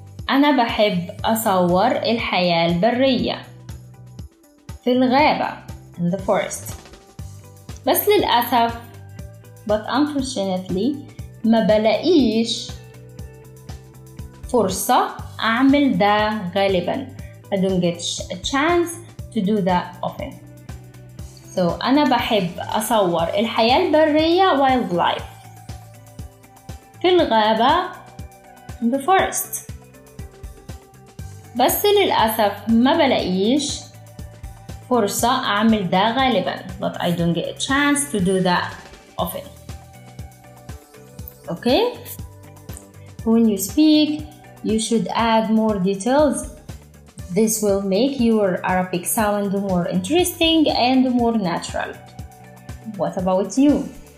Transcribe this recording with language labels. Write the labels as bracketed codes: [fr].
[ar] أنا بحب أصور الحياة البرية في الغابة, [en] in the forest. [ar] بس للأسف, [en] but unfortunately, [ar] ما بلاقيش فرصة أعمل ده غالبا. [en] I don't get a chance to do that often. [ar] So أنا بحب أصور الحياة البرية [en] wildlife [ar] في الغابة [en] in the forest. [ar] بس للأسف ما بلاقيش فرصة أعمل ده غالبا. [en] But I don't get a chance to do that often. Okay? When you speak, you should add more details. This will make your Arabic sound more interesting and more natural. What about you?